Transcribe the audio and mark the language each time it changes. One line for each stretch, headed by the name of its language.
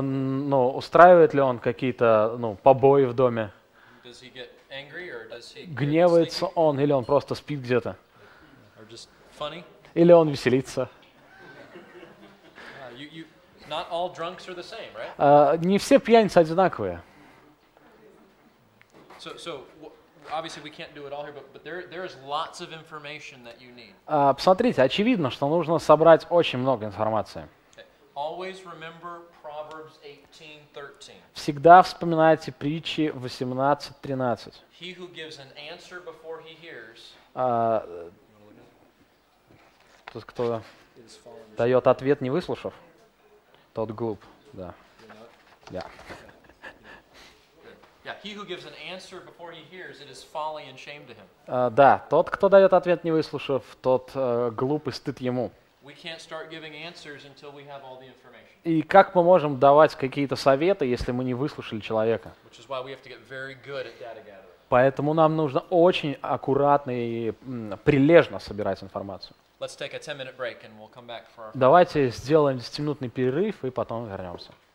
Russian: Ну, устраивает ли он какие-то, ну, побои в доме?
English: Does he get angry or does he?
Russian: Гневается он или он просто спит где-то?
English: Or just funny?
Russian: Или он веселится?
English: Not all drunks are the same, right?
Russian: Не все пьяницы одинаковые.
English: So obviously we can't do it all here, but there is lots of information that you need.
Russian: Посмотрите, очевидно, что нужно собрать очень много информации.
English: Okay. Always remember Proverbs 18:13.
Russian: Всегда вспоминайте притчи 18:13.
English: He who gives an answer before he hears.
Russian: Тот, кто дает ответ, не выслушав. Тот глуп, да.
English: He who gives an answer before he hears, it is folly and shame to him.
Russian: Да, тот, кто дает ответ, не выслушав, тот глуп и стыд ему.
English: We can't start giving answers until we have all the information.
Russian: И как мы можем давать какие-то советы, если мы не выслушали человека?
English: Which is why we have to get very good at data gathering.
Russian: Поэтому нам нужно очень аккуратно и прилежно собирать информацию.
English: Let's take a 10-minute break and we'll come back for our.
Russian: Давайте сделаем 10-минутный перерыв и потом вернемся.